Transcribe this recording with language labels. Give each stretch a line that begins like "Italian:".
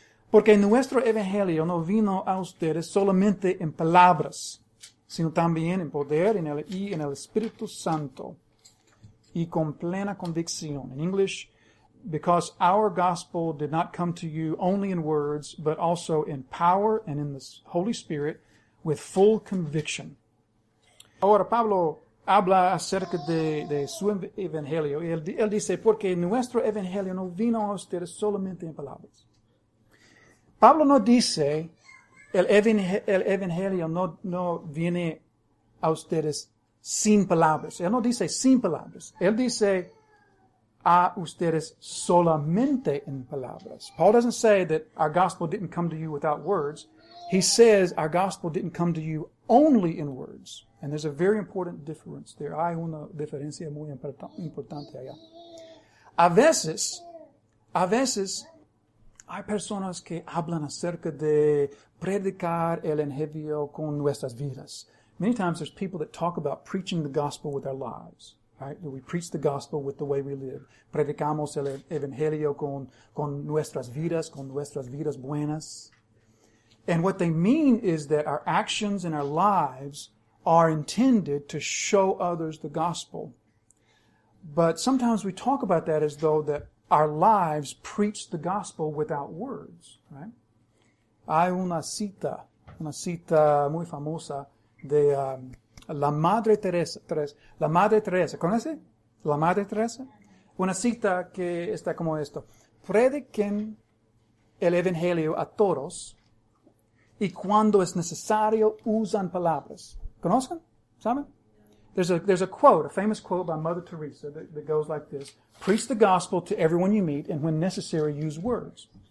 Spanish: Porque nuestro evangelio no vino a ustedes solamente en palabras, sino también en poder y en el Espíritu Santo, y con plena convicción.
English: In English, because our gospel did not come to you only in words, but also in power and in the Holy Spirit, with full conviction.
Spanish: Ahora, Pablo habla acerca de su evangelio. Él dice, porque nuestro evangelio no vino a ustedes solamente en palabras. Pablo no dice, el evangelio no viene a ustedes sin palabras. Él no dice sin palabras. Él dice a ustedes solamente en palabras.
English: Paul doesn't say that our gospel didn't come to you without words. He says our gospel didn't come to you only in words. And there's a very important difference there.
Spanish: Hay una diferencia muy importante allá. A veces, hay personas que hablan acerca de predicar el evangelio con nuestras vidas.
English: Many times there's people that talk about preaching the gospel with our lives. Right? We preach the gospel with the way we live.
Spanish: Predicamos el evangelio con nuestras vidas, con nuestras vidas buenas.
English: And what they mean is that our actions and our lives are intended to show others the gospel. But sometimes we talk about that as though that our lives preach the gospel without words, right?
Spanish: Hay una cita muy famosa de la Madre Teresa. La Madre Teresa, ¿conoce? La Madre Teresa. Una cita que está como esto. Prediquen el evangelio a todos y cuando es necesario usan palabras. ¿Conocen? ¿Saben?
English: There's a quote, a famous quote by Mother Teresa that goes like this. Preach the gospel to everyone you meet, and when necessary, use words.